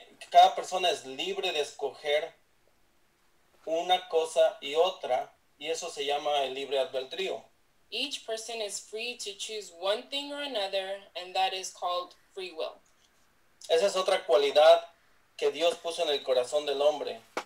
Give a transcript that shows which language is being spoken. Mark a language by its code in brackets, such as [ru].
[es] Cada persona es libre de escoger una cosa y otra, y eso se llama el libre albedrío. [en] Each person is free to choose one thing or another, and that is called free will. [es] Esa es otra cualidad que Dios puso en el corazón del hombre.